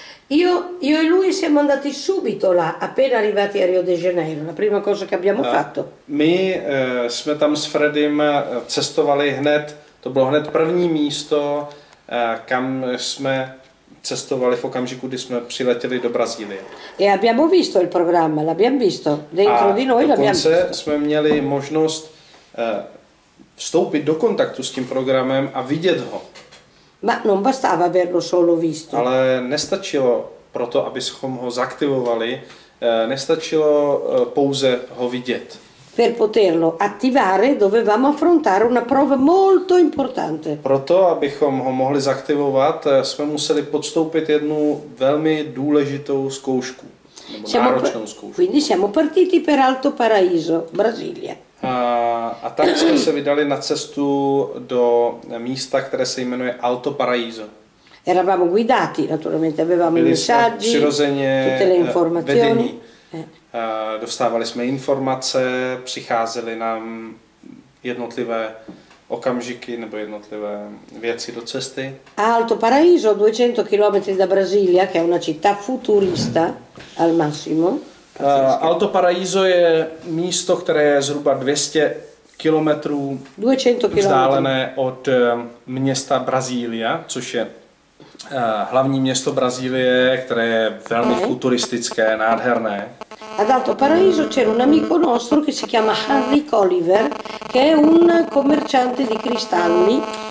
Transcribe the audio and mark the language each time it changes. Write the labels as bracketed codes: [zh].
[it] Io e lui siamo andati subito là, appena arrivati a Rio de Janeiro. La prima cosa che abbiamo fatto. [cs] My jsme tam s Fredym cestovali hned. To bylo hned první místo, kam jsme cestovali v okamžiku, kdy jsme přiletěli do Brazílie. [it] E abbiamo visto il programma, l'abbiamo visto dentro di noi, l'abbiamo visto. [cs] Dokonce jsme měli možnost vstoupit do kontaktu s tím programem a vidět ho. [it] Ma non bastava averlo solo visto. [cs] Ale nestačilo proto, abychom ho zaktivovali, nestačilo pouze ho vidět. [it] Per poterlo attivare dovevamo affrontare una prova molto importante. [cs] Proto, abychom ho mohli zaktivovat, jsme museli podstoupit jednu velmi důležitou zkoušku, nebo náročnou zkoušku. [it] Quindi siamo partiti per Alto Paraíso, Brasilia. [cs] A tak jsme se vydali na cestu do místa, které se jmenuje Alto Paraíso. [it] Eravamo guidati, naturalmente avevamo i messaggi, [cs] přirozeně [it] tutte le informazioni. [cs] Dostávali jsme informace, přicházely nám jednotlivé okamžiky nebo jednotlivé věci do cesty. [it] Alto Paraíso, 200 km da Brasília, che è una città futurista al massimo. [cs] Alto Paraíso je místo, které je zhruba 200 km vzdálené od města Brazília, což je hlavní město Brazílie, které je velmi futuristické, nádherné. [it] Ad Alto Paraíso c'era un amico nostro che si chiama Harry Colliver, che è un commerciante di cristalli.